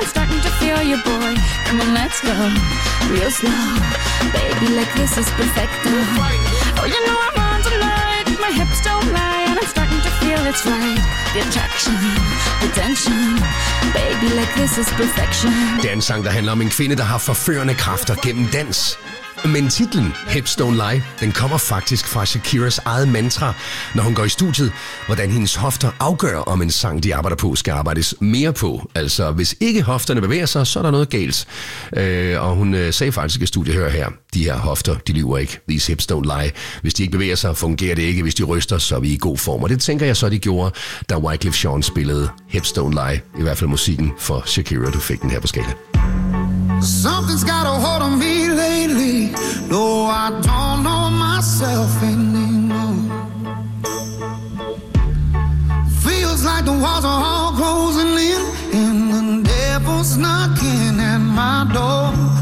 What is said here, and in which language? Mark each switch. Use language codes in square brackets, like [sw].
[en] Starting to feel you, boy. Come on, let's go. Real slow. Baby, like this is perfecto. Oh, you know I'm on tonight. My hips don't lie. And I'm starting to feel it's right. The attraction, the tension. Baby, like this is perfection. [da] Det er en sang, der handler om en kvinde, der har forførende kræfter gennem dans. Men titlen, Hips Don't Lie, den kommer faktisk fra Shakiras eget mantra, når hun går i studiet, hvordan hendes hofter afgør, om en sang, de arbejder på, skal arbejdes mere på. Altså, hvis ikke hofterne bevæger sig, så er der noget galt. Og hun sagde faktisk i studiet, hør her, de her hofter, de lyver ikke. [en] These hips don't lie. [da] Hvis de ikke bevæger sig, fungerer det ikke. Hvis de ryster, så er vi i god form. Og det tænker jeg så, de gjorde, da Wyclef Jean spillede Hips Don't Lie, i hvert fald musikken for Shakira, du fik den her på skala. [en] Something's got a hold on me lately, though I don't know myself anymore. Feels like the walls are all closing in and the devil's knocking at my door.